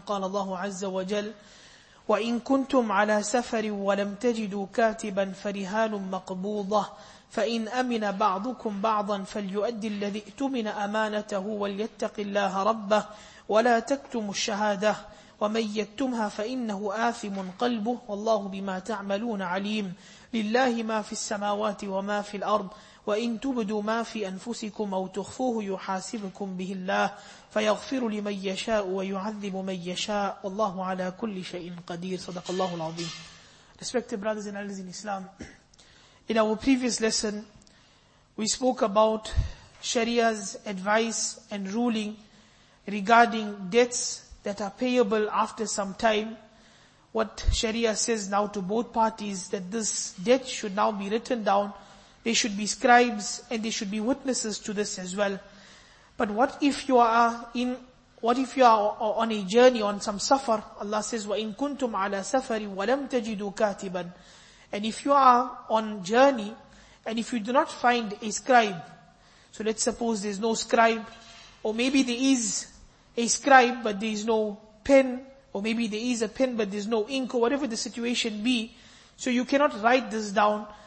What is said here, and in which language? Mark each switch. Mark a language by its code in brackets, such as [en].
[ar] قال الله عز وجل: وإن كنتم على سفر ولم تجدوا كاتبا فرهان مقبوضة فإن أمن بعضكم بعضا فليؤدي الذي اؤتمن أمانته وليتق الله ربه ولا تكتموا الشهادة ومن يكتمها فإنه آثم قلبه والله بما تعملون عليم. لله ما في السماوات وما في الأرض وإن تبدوا ما في أنفسكم أو تخفوه يحاسبكم به الله فيغفر لمن يشاء ويعذب من يشاء والله على كل شيء قدير. صدق الله العظيم. [en] Respected brothers and elders in Islam, in our previous lesson we spoke about Sharia's advice and ruling regarding debts that are payable after some time. What Sharia says now to both parties, that this debt should now be written down. There should be scribes and there should be witnesses to this as well. But what if you are on a journey, on some safar? [ar] Allah says, وَإِن كُنْتُمْ عَلَى سَفَرِ وَلَمْ تَجِدُوا كَاتِبًا. [en] And if you are on journey, and if you do not find a scribe, so let's suppose there's no scribe, or maybe there is a scribe, but there is no pen, or maybe there is a pen, but there is no ink, or whatever the situation be, so you cannot write this down.